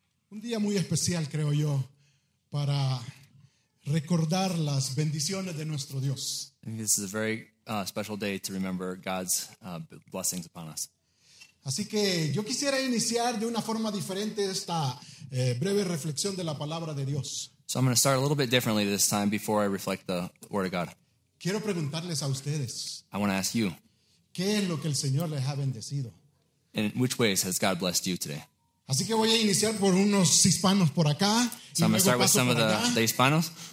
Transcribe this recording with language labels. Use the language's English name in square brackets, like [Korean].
[Spanish] Un día muy especial, creo yo, para recordar las bendiciones de nuestro Dios. [English] This is a very special day to remember God's blessings upon us. [Spanish] Así que yo quisiera iniciar de una forma diferente esta breve reflexión de la palabra de Dios. [English] So I'm going to start a little bit differently this time before I reflect the word of God. [Spanish] Quiero preguntarles a ustedes. [English] I want to ask you. [Spanish] ¿Qué es lo que el Señor les ha bendecido? [English] In which ways has God blessed you today? [Spanish] Así que voy a iniciar por unos hispanos por acá. [English] So I'm going to start with some of the hispanos.